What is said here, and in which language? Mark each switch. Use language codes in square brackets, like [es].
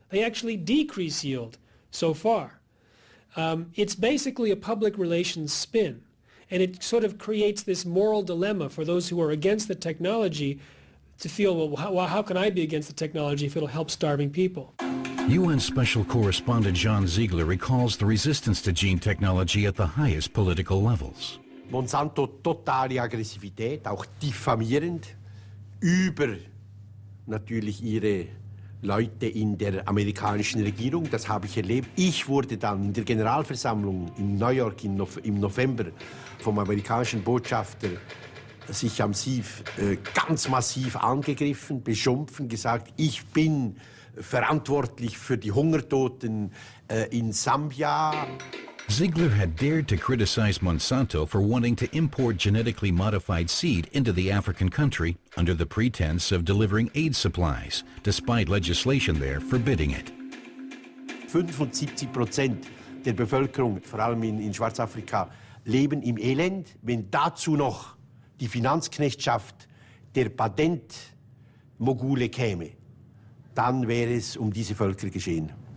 [en] They actually decrease yield so far. It's basically a public relations spin, and it sort of creates this moral dilemma for those who are against the technology to feel, well, how can I be against the technology if it'll help starving people? UN Special Correspondent John Ziegler recalls the resistance to gene technology at the highest political levels. [de] Monsanto totale Aggressivität, auch diffamierend, über natürlich ihre Leute in der amerikanischen Regierung, das habe ich erlebt. Ich wurde dann in der Generalversammlung in New York im November vom amerikanischen Botschafter sich am Sief ganz massiv angegriffen, beschimpfen, gesagt, ich bin verantwortlich für die Hungertoten in Sambia. [en] Ziegler had dared to criticize Monsanto for wanting to import genetically modified seed into the African country under the pretense of delivering aid supplies, despite legislation there forbidding it. [de] 75% der Bevölkerung, vor allem in Schwarzafrika, leben im Elend. Wenn dazu noch die Finanzknechtschaft der Patentmogule käme, dann wäre es um diese Völker geschehen.